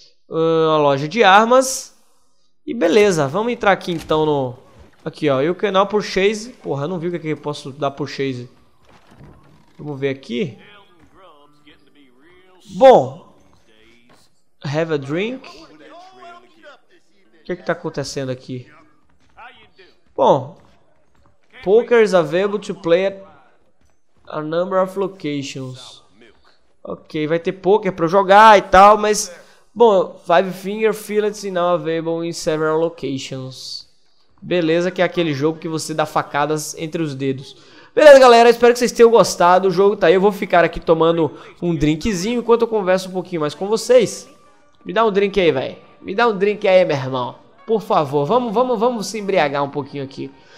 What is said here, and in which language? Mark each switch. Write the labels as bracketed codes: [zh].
[pt] Uma loja de armas. E beleza, vamos entrar aqui então no... Aqui, ó. E o canal Purchase. Porra, eu não vi o que eu posso dar Purchase. Vamos ver aqui. Bom. [en] Have a drink. [pt] O que é que tá acontecendo aqui? [en] Bom, poker is available to play at a number of locations. [pt] Ok, vai ter poker pra eu jogar e tal, mas... [en] Bom, Five Finger Fillets is now available in several locations. [pt] Beleza, que é aquele jogo que você dá facadas entre os dedos. Beleza, galera, espero que vocês tenham gostado. O jogo tá aí, eu vou ficar aqui tomando um drinkzinho enquanto eu converso um pouquinho mais com vocês. Me dá um drink aí, véi. Me dá um drink aí, meu irmão. Por favor, vamos se embriagar um pouquinho aqui.